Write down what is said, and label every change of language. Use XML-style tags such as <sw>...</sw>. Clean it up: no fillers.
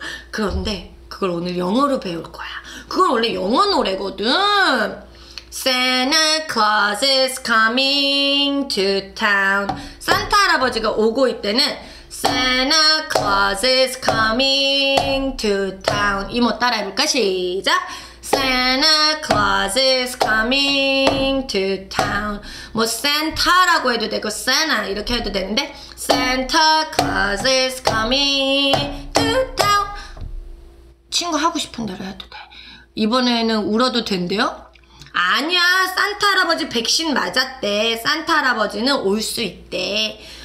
<ko>그런데 그걸 오늘 영어로 배울 거야. 그건 원래 영어 노래거든.</ko> <en>Santa Claus is coming to town.</en> <ko>산타 할아버지가 오고 있대는</ko> <en>Santa Claus is coming to town.</en> <ko>이모 따라 해볼까? 시작!</ko> <en>Santa Claus is coming to town.</en> <ko>뭐 산타라고 해도 되고 Santa 이렇게 해도 되는데</ko> <en>Santa Claus is coming to town.</en> <ko>친구 하고 싶은 대로 해도 돼. 이번에는 울어도 된대요? 아니야, 산타 할아버지 백신 맞았대. 산타 할아버지는 올 수 있대.</ko>